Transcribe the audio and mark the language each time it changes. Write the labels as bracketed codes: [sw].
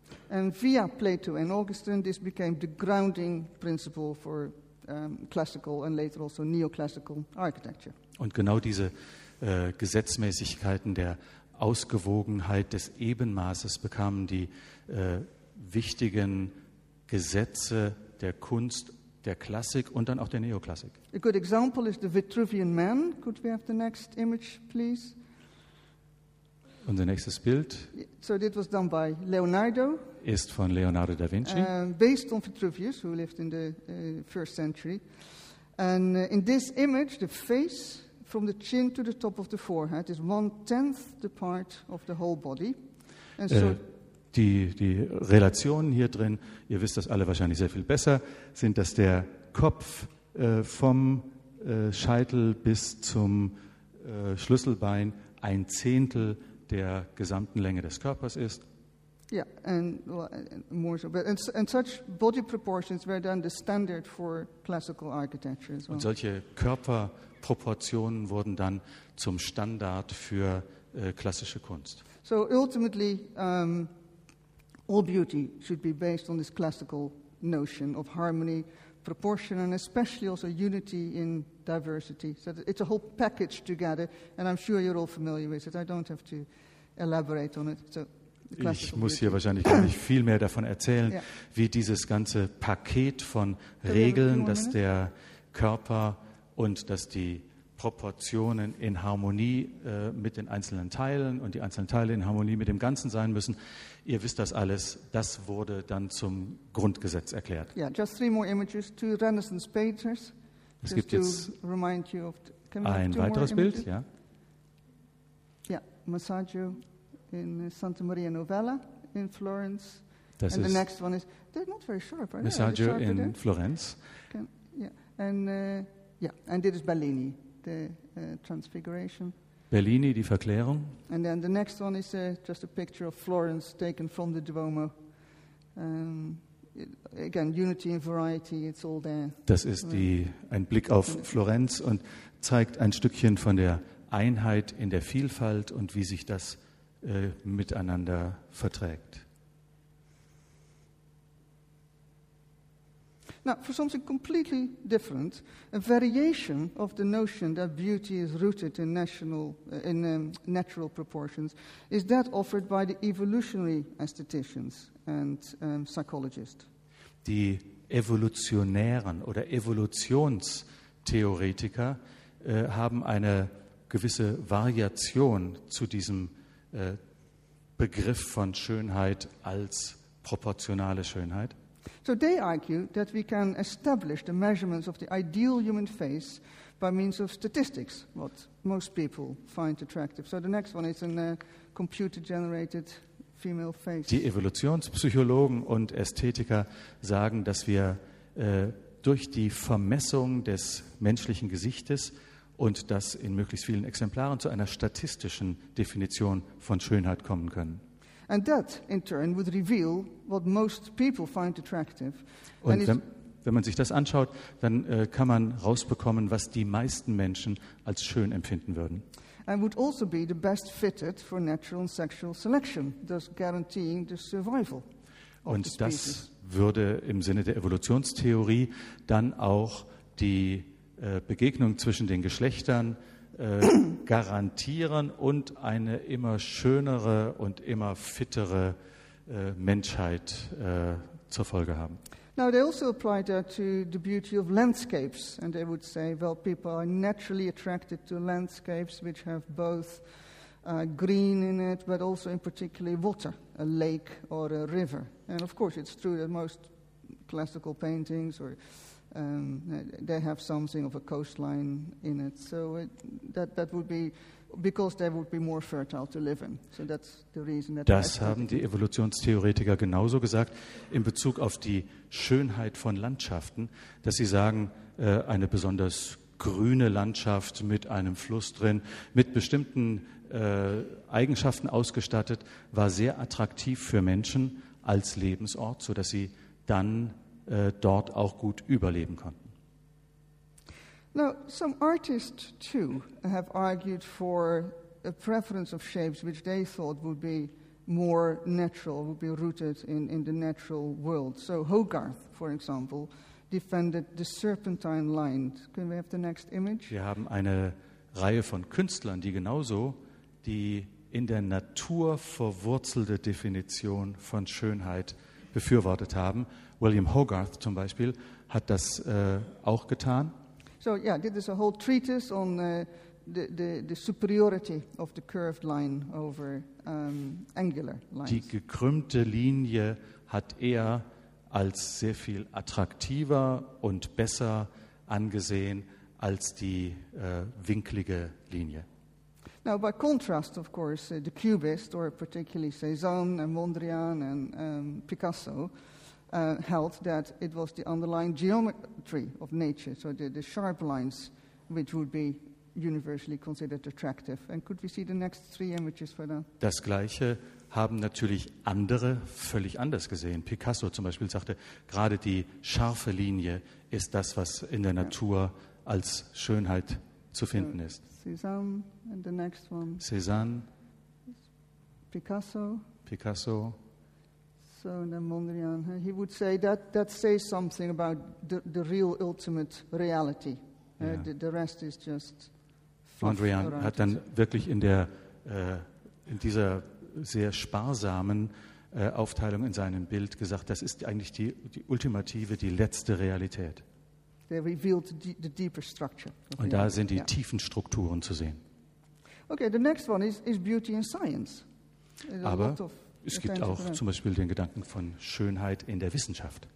[en] And via Plato and Augustine, this became the grounding principle for classical and later also neoclassical architecture. [de] Und genau diese Gesetzmäßigkeiten der Ausgewogenheit des Ebenmaßes bekamen die wichtigen Gesetze der Kunst, der Klassik und dann auch der Neoklassik. [en] A good example is the Vitruvian Man. Could we have the next image, please? [de] Unser nächstes Bild. [en] So this was done by Leonardo. [de] Ist von Leonardo da Vinci. [en] Based on Vitruvius, who lived in the first century. And in this image, the face from the chin to the top of the forehead is 1/10 the part of the whole body. And so [de] die Relationen hier drin, ihr wisst das alle wahrscheinlich sehr viel besser, sind, dass der Kopf vom Scheitel bis zum Schlüsselbein 1/10 der gesamten Länge des Körpers ist. [en] Yeah, and such body proportions were then the standard for classical architecture as well. [de] Und solche Körperproportionen wurden dann zum Standard für klassische Kunst. [en] So ultimately, all beauty should be based on this classical notion of harmony, proportion, and especially also unity in diversity. So it's a whole package together, and I'm sure you're all familiar with it. I don't have to elaborate on it. So [de] ich muss hier wahrscheinlich gar nicht viel mehr davon erzählen, wie dieses ganze Paket von Regeln, dass der Körper und dass die Proportionen in Harmonie mit den einzelnen Teilen und die einzelnen Teile in Harmonie mit dem Ganzen sein müssen. Ihr wisst das alles. Das wurde dann zum Grundgesetz erklärt. [en] Yeah, just three more images, two Renaissance pages. [de] Es gibt jetzt ein weiteres Bild. Ja. [en] Yeah, Masaggio in Santa Maria Novella in Florence. [de] Das [en] and the next one is they're not very sharp, are they? Masaggio in Florence. And it is Bellini. The Transfiguration. [de] Bellini, die Verklärung. [en] And then the next one is just a picture of Florence taken from the Duomo. Again, unity and variety, it's all there. [de] Das ist ein Blick auf Florenz und zeigt ein Stückchen von der Einheit in der Vielfalt und wie sich das miteinander verträgt. [en] Now, for something completely different, a variation of the notion that beauty is rooted in natural proportions is that offered by the evolutionary aestheticians and psychologists. [de] Die evolutionären oder Evolutionstheoretiker haben eine gewisse Variation zu diesem Begriff von Schönheit als proportionale Schönheit. [en] So they argue that we can establish the measurements of the ideal human face by means of statistics, what most people find attractive. So the next one is a computer-generated female face. [de] Die Evolutionspsychologen und Ästhetiker sagen, dass wir durch die Vermessung des menschlichen Gesichtes und das in möglichst vielen Exemplaren zu einer statistischen Definition von Schönheit kommen können. [en] And that, in turn, would reveal what most people find attractive. [de] Und wenn man sich das anschaut, dann kann man rausbekommen, was die meisten Menschen als schön empfinden würden. [en] And would also be the best fitted for natural and sexual selection, thus guaranteeing the survival. [de] Und das würde im Sinne der Evolutionstheorie dann auch die Begegnung zwischen den Geschlechtern garantieren und eine immer schönere und immer fittere Menschheit zur Folge haben. [en] Now they also apply that to the beauty of landscapes, and they would say, well, people are naturally attracted to landscapes which have both green in it, but also in particular water, a lake or a river. And of course, it's true that most classical paintings or they have something of a coastline in it, so that would be because they would be more fertile to live in. So that's the reason that. [de] Das haben die Evolutionstheoretiker genauso gesagt in Bezug auf die Schönheit von Landschaften, dass sie sagen, eine besonders grüne Landschaft mit einem Fluss drin, mit bestimmten Eigenschaften ausgestattet, war sehr attraktiv für Menschen als Lebensort, so dass sie dann dort auch gut überleben konnten. [en] Now, some artists too have argued for a preference of shapes which they thought would be more natural, would be rooted in the natural world. So Hogarth, for example, defended the serpentine line. Can we have the next image? [de] Wir haben eine Reihe von Künstlern, die genauso die in der Natur verwurzelte Definition von Schönheit befürwortet haben. William Hogarth zum Beispiel hat das auch getan. [en] So yeah, this is a whole treatise on the superiority of the curved line over angular lines. [de] Die gekrümmte Linie hat er als sehr viel attraktiver und besser angesehen als die winklige Linie. [en] Now by contrast, of course, the Cubist or particularly Cézanne and Mondrian and Picasso held that it was the underlying geometry of nature, so the sharp lines, which would be universally considered attractive. And could we see the next three images for that? [de] Das Gleiche haben natürlich andere völlig anders gesehen. Picasso zum Beispiel sagte, gerade die scharfe Linie ist das, was in der Natur als Schönheit zu finden ist. [en] Cézanne, and the next one. Cézanne. Picasso. Picasso. So and then Mondrian, he would say that says something about the real ultimate reality. Yeah. The rest is just. [de] Mondrian hat dann wirklich in dieser sehr sparsamen Aufteilung in seinem Bild gesagt, das ist eigentlich die ultimative, die letzte Realität. [en] They revealed the deeper structure. [de] Und da sind die tiefen Strukturen zu sehen. [en] Okay, the next one is beauty in science. [de] Aber es gibt auch zum Beispiel den Gedanken von Schönheit in der Wissenschaft.